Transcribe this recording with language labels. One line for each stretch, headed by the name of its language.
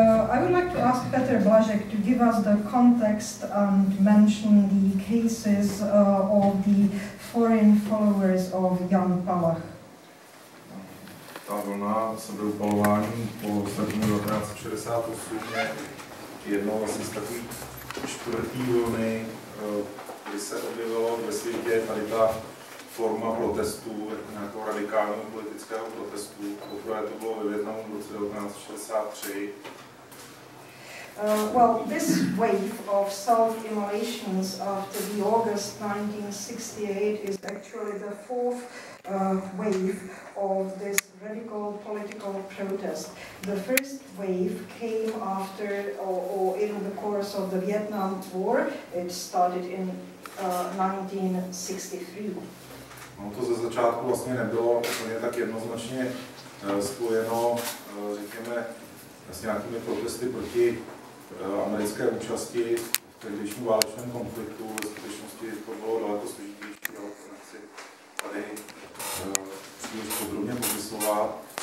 English: I would like to ask Petr Blažek to give us the context and mention the cases of the foreign followers of Jan Palach.
Czech: Ta vlna sebeupalování po srpnu 1968 je jedno asi z takových čtvrtý vlny, kdy se objevilo ve světě tady ta forma protestů, nějakého radikálního politického protestu. Poprvé to bylo ve Vietnamu v roce 1963.
English: Well, this wave of self-immolations after the August 1968 is actually the fourth wave of this radical political protest. The first wave came after or in the course of the Vietnam War. It started in 1963.
Czech: No, to ze začátku vlastně nebylo úplně tak jednoznačně spojeno, řekněme, s nějakými protesty proti americké účasti v tehdejším válečném konfliktu. Ve skutečnosti to bylo daleko složitější, ale to nechci tady příliš podrobně popisovat.